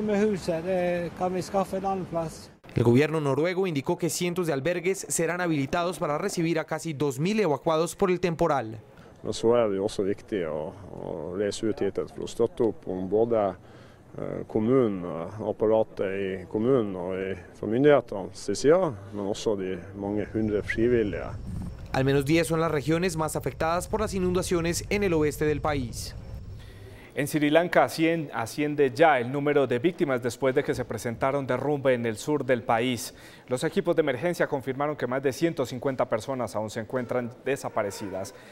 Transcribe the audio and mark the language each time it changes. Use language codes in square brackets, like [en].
[es] El gobierno noruego indicó que cientos de albergues serán habilitados para recibir a casi 2.000 evacuados por el temporal. [sv] Men så är det också viktigt att resa ut hit för att stötta upp om både kommunapparater i kommunen och i myndigheternas sida, men också de många hundra frivilliga. [es] Al menos 10 son las regiones más afectadas por las inundaciones en el oeste del país. En Sri Lanka asciende ya el número de víctimas después de que se presentaron derrumbe en el sur del país. Los equipos de emergencia confirmaron que más de 150 personas aún se encuentran desaparecidas.